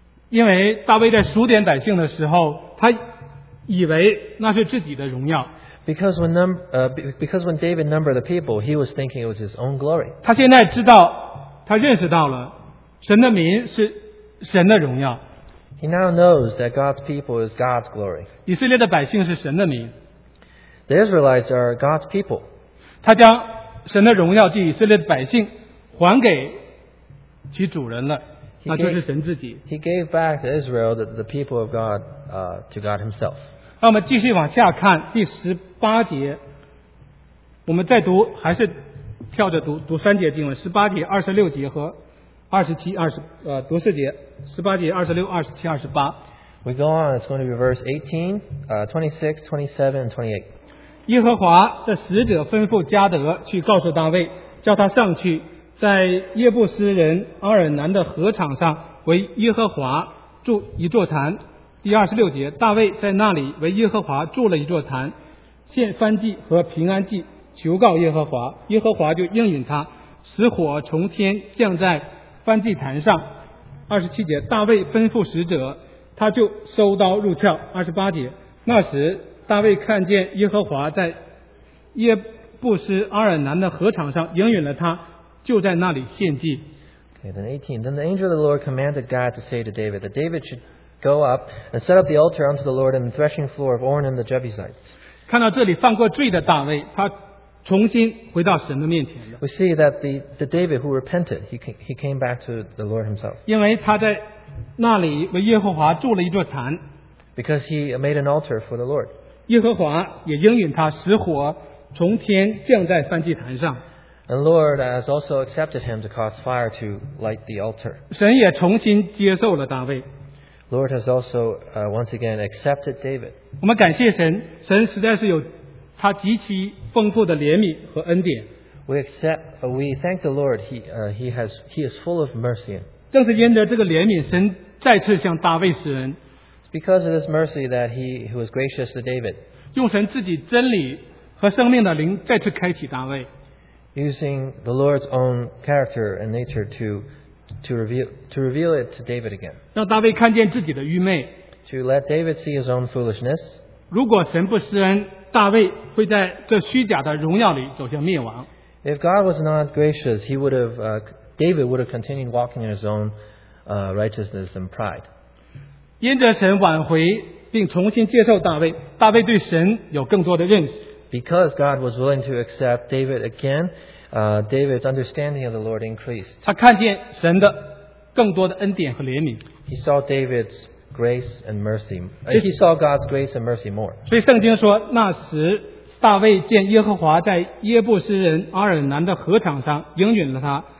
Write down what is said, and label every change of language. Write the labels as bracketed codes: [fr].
[zh] 因为大卫在数点百姓的时候，他。以为那是自己的荣耀。 [en] Because when David numbered the people, he was thinking it was his own glory. [zh] 他现在知道，他认识到了，神的民是神的荣耀。 [en] He now knows that God's people is God's glory. [zh] 以色列的百姓是神的民。 [en] The Israelites are God's people. [zh] 他将神的荣耀及以色列的百姓还给其主人了。 [en] He gave back to Israel the people of God to God himself. [zh] 那我们继续往下看第十八节，我们再读，还是跳着读，读三节经文，十八节、二十六节和二十七、二十读四节，十八节、二十六、二十七、二十八。 [en] We go on. It's going to be verse 18, 26, 27, 28. [zh] 耶和华的使者吩咐加德去告诉大卫，叫他上去。在耶布斯人阿尔南的禾场上为耶和华筑一座坛。第二十六节，大卫在那里为耶和华筑了一座坛，献燔祭和平安祭，求告耶和华，耶和华就应允他，使火从天降在燔祭坛上。二十七节，大卫吩咐使者，他就收刀入鞘。二十八节，那时大卫看见耶和华在耶布斯阿尔南的禾场上应允了他，就在那里献祭。 [en] Okay, then 18. Then the angel of the Lord commanded God to say to David that David should go up and set up the altar unto the Lord in the threshing floor of Ornan the Jebusites. [zh] 看到这里犯过罪的大卫，他重新回到神的面前了。 [en] We see that the David who repented, he came back to the Lord himself. [zh] 因为他在那里为耶和华筑了一座坛。 [en] Because he made an altar for the Lord. [zh] 耶和华也应允他，使火从天降在燔祭坛上。 [en] And the Lord has also accepted him to cause fire to light the altar. [zh] 神也重新接受了大卫。 [en] Lord has also once again accepted David. [zh] 我们感谢神，神实在是有他极其丰富的怜悯和恩典。 [en] We thank the Lord. He is full of mercy. [zh] 正是因着这个怜悯，神再次向大卫施恩。 [en] It's because of this mercy that he was gracious to David. [zh] 用神自己真理和生命的灵再次开启大卫。 [en] Using the Lord's own character and nature to reveal it to David again. [zh] 让大卫看见自己的愚昧。 [en] To let David see his own foolishness. [zh] 如果神不施恩，大卫会在这虚假的荣耀里走向灭亡。 [en] If God was not gracious, he would have David would have continued walking in his own righteousness and pride. [zh] 因着神挽回并重新接受大卫，大卫对神有更多的认识。 [en] Because God was willing to accept David again, David's understanding of the Lord increased. [zh] 他看见神的更多的恩典和怜悯。 [en] He saw David's grace and mercy. He saw God's grace and mercy more. [zh] 所以圣经说，那时大卫见耶和华在耶布斯人阿尔南的禾场上应允了他，